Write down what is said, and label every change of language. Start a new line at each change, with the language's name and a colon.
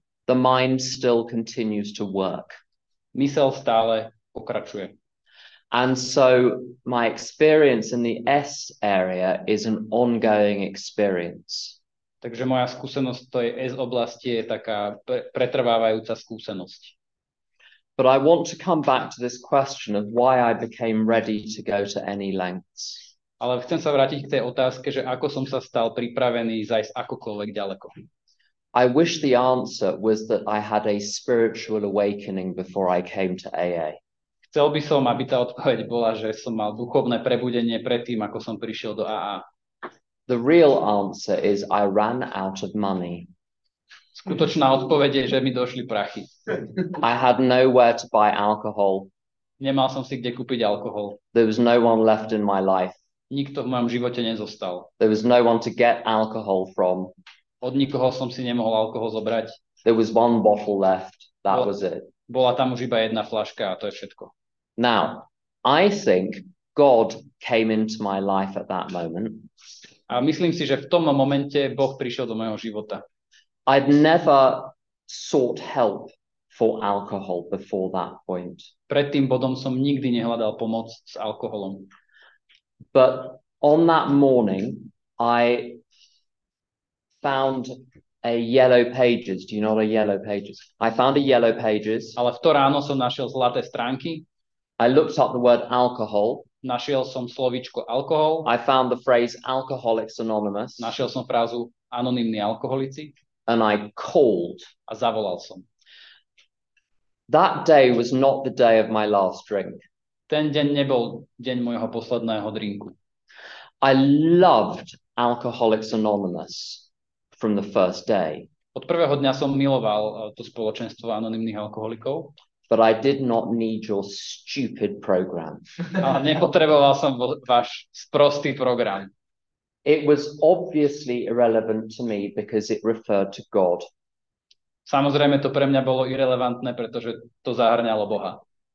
English: the mind still continues to work.
Slovak: Mysel stále pokračuje.
English: And so my experience in the S area is an ongoing experience.
Slovak: Takže moja skúsenosť v tej S oblasti je taká pretrvávajúca skúsenosť.
English: But I want to come back to this question of why I became ready to go to any lengths.
Slovak: Ale chcem sa vrátiť k tej otázke, že ako som sa stal pripravený zajsť akokoľvek ďaleko.
English: I wish the answer was that I had a spiritual awakening before I came to AA.
Slovak: Chcel by som, aby tá odpoveď bola, že som mal duchovné prebudenie predtým, ako som prišiel do AA.
English: The real answer is I ran out of money.
Slovak: Skutočná odpoveď je, že mi došli prachy.
English: I had nowhere to buy alcohol.
Slovak: Nemal som si kde kúpiť alkohol.
English: There was no one left in my life.
Slovak: Nikto v mojom živote nezostal.
English: There was no one to get alcohol from.
Slovak: Od nikoho som si nemohol alkohol zobrať.
English: There was one bottle left. That was it.
Slovak: Bola tam už iba jedna fľaška a to je všetko.
English: Now, I think God came into my life at that moment.
Slovak: A myslím si, že v tom momente Boh prišiel do mojho života.
English: I'd never sought help for alcohol before that point.
Slovak: Pred tým bodom som nikdy nehľadal pomoc s alkoholom.
English: But on that morning, I found a Yellow Pages. Do you know what a Yellow Pages? I found a Yellow Pages.
Slovak: Ale v to ráno som našiel zlaté stránky.
English: I looked up the word alcohol.
Slovak: Našiel som slovíčko alkohol.
English: I found the phrase Alcoholics Anonymous.
Slovak: Našiel som frázu anonymní alkoholici.
English: And I called.
Slovak: A zavolal som.
English: That day was not the day of my last drink.
Slovak: Ten deň nebol deň môjho posledného drinku.
English: I loved Alcoholics Anonymous from the first day.
Slovak: Od prvého dňa som miloval to spoločenstvo anonymných alkoholikov.
English: But I did not need your stupid program.
Slovak: Ale nepotreboval som váš sprostý program.
English: It was obviously irrelevant to me because it referred to God.
Slovak: Samozrejme, to pre mňa bolo irelevantné, pretože to zahŕňalo Boha.